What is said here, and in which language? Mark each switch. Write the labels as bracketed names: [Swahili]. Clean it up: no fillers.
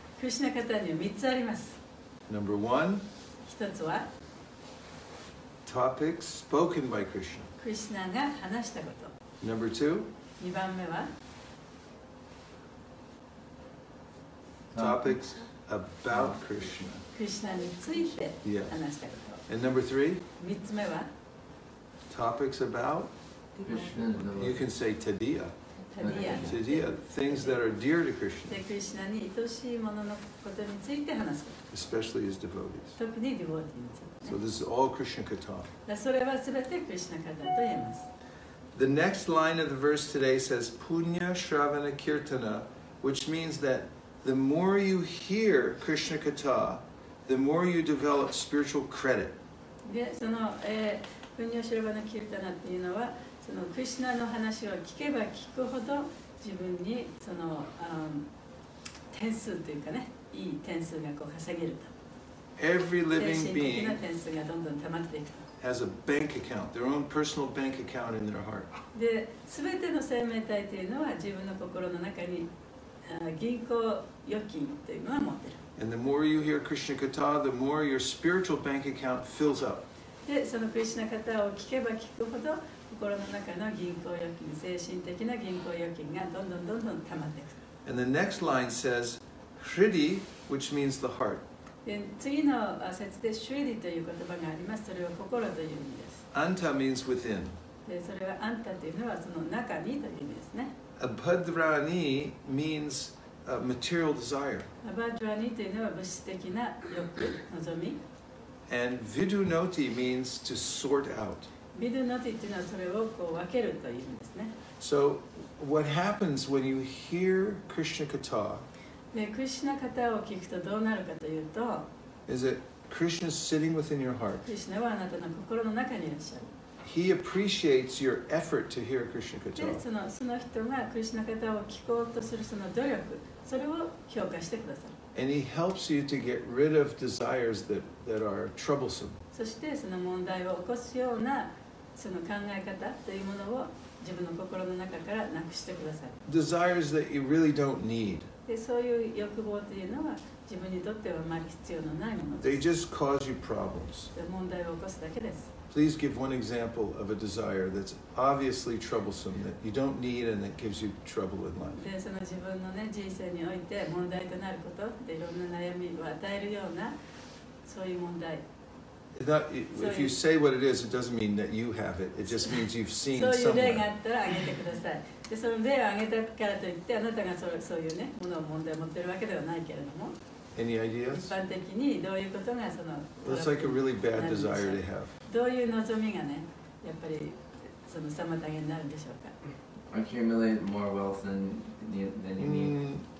[Japanese] Krishna Katha には3つあります。 [English] Number one, [Japanese] 1つは [English] topics spoken by Krishna. [Japanese] Krishna が話したこと。 [English] Number two, [Japanese] 2番目は [English] topics about Krishna. [Japanese] Krishna について話したこと。 [English] Yes. And number three, [Japanese] 3つ目は [English] topics about Krishna. You can say tadiya. Tadiya, things that are dear to Krishna. [Japanese] De Krishna に愛しいもののことについて話すこと。 [English] Especially his devotees. [Japanese] 特に devotees について。 [English] So this is all Krishna Katha. [Japanese] それはすべて Krishna Katha と言えます。 [English] The next line of the verse today says Punya Shravana Kirtana, which means that the more you hear Krishna Katha, the more you develop spiritual credit. [Japanese] で、その、Punya Shravana Kirtana っていうのは、そのクリシュナの話を聞けば聞くほど自分にその、点数というかね、いい点数がこう稼げると。 [English] Every living being [Japanese] 精神的な点数がどんどん溜まっていくと。 [English] Has a bank account, their own personal bank account in their heart. [Japanese] で、全ての生命体というのは自分の心の中に銀行預金というのは持ってる。 [English] And the more you hear Krishna Katha, the more your spiritual bank account fills up. [Japanese] で、そのクリシュナ方を聞けば聞くほど心の中の銀行預金、精神的な銀行預金がどんどんどんどん溜まっていく。 [English] And the next line says, Hridi, which means the heart. [Japanese] 次の節で Hridi という言葉があります。それは心という意味です。 [English] Anta means within. [Japanese] でそれは Anta というのはその中にという意味ですね。 [English] Abhadrani means a material desire. [Japanese] Abhadrani というのは物質的な欲望、望み。 [English] And Vidunoti means to sort out. [Japanese] ビドゥノティというのはそれをこう分けるというんですね。 [English] So, what happens when you hear Krishna Katha? [Japanese] で、クリシュナ Katha を聞くとどうなるかというと、 [English] Is it Krishna sitting within your heart? [Japanese] クリシュナはあなたの心の中にいらっしゃる。 [English] He appreciates your effort to hear Krishna Katha. [Japanese] で、その人がクリシュナ Katha を聞こうとするその努力、それを評価してくださる。 [English] And he helps you to get rid of desires that are troublesome. [Japanese] そしてその問題を起こすようなその考え方というものを自分の心の中からなくしてください。 [English] Desires that you really don't need. [Japanese] でそういう欲望というのは自分にとってはあまり必要のないものです。 [English] They just cause you problems. [Japanese] で問題を起こすだけです。 [English] Please give one example of a desire that's obviously troublesome that you don't need and that gives you trouble in life. [Japanese] で、その自分のね、人生において問題となること、で、いろんな悩みを与えるようなそういう問題。 [English] If you say what it is, it doesn't mean that you have it. It just means you've seen somewhere. [Japanese] そういう例があったら挙げてください。で、その例を挙げたからといって、あなたがそういうね、ものを問題を持ってるわけではないけれども。 [English] Any ideas? [Japanese] 一般的にどういうことがその。 [English] Looks like a really bad desire to have. [Japanese] どういう望みがね、やっぱりその妨げになるんでしょうか。 [English] Accumulate more wealth than you need.